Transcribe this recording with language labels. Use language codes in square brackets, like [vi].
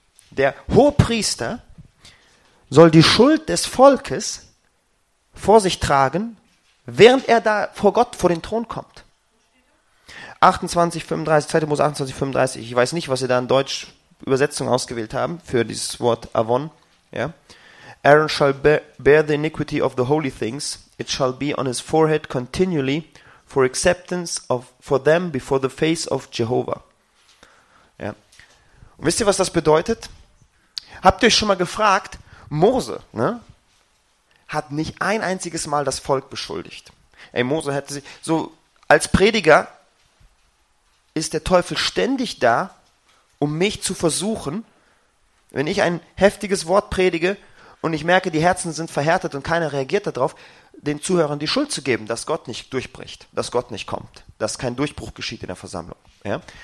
[de] Der Hohepriester soll die Schuld des Volkes vor sich tragen, während er da vor Gott, vor den Thron kommt. 28, 35, 2. Mose 28, 35. Ich weiß nicht, was sie da in Deutsch Übersetzung ausgewählt haben für dieses Wort Avon. Ja. [en] Aaron shall bear the iniquity of the holy things. It shall be on his forehead continually for acceptance of for them before the face of Jehovah. [de] Ja. Und wisst ihr, was das bedeutet? Habt ihr euch schon mal gefragt, Mose, ne? Hat nicht ein einziges Mal das Volk beschuldigt. Ey, Mose hätte sich, so als Prediger ist der Teufel ständig da, um mich zu versuchen, wenn ich ein heftiges Wort predige und ich merke, die Herzen sind verhärtet und keiner reagiert darauf, den Zuhörern die Schuld zu geben, dass Gott nicht durchbricht, dass Gott nicht kommt, dass kein Durchbruch geschieht in der Versammlung. Ja?